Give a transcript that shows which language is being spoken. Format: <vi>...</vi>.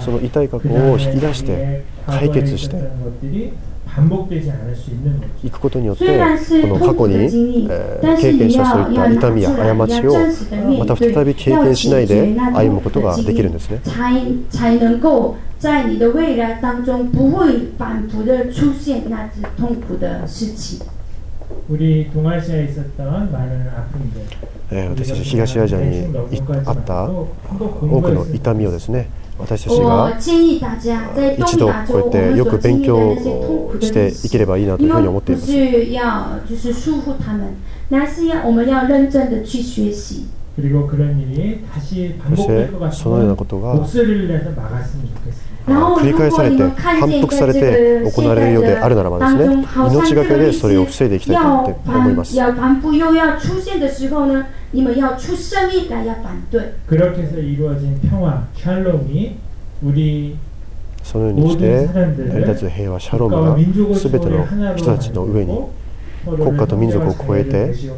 <ja>その痛い過去を引き出して解決して</ja> <ko>반복되지않을수있는</ko> <ja>行くことによってこの過去に経験したそういった痛みや過ちをまた再び経験しないで歩むことができるんですね。</ja> <zh>才能够在你的未来当中不会反复的出现那些痛苦的事情。</zh> <ko>우리동아시아에있었던많은아픔들</ko> <ja>私たち東アジアにあった多くの痛みをですね、私たちが一度こうやってよく勉強していければいいなというふうに思っています。</ja> <zh>不是要就是束缚他们，那是要我们要认真的去学習。</zh> <ja>そしてそのようなことが繰り返されて反復されて行われるようであるならばですね、命がけでそれを防いでいきたいと思います。そのようにして成り立つ平和シャロームが全ての人たちの上に国家と民族を超えて</ja>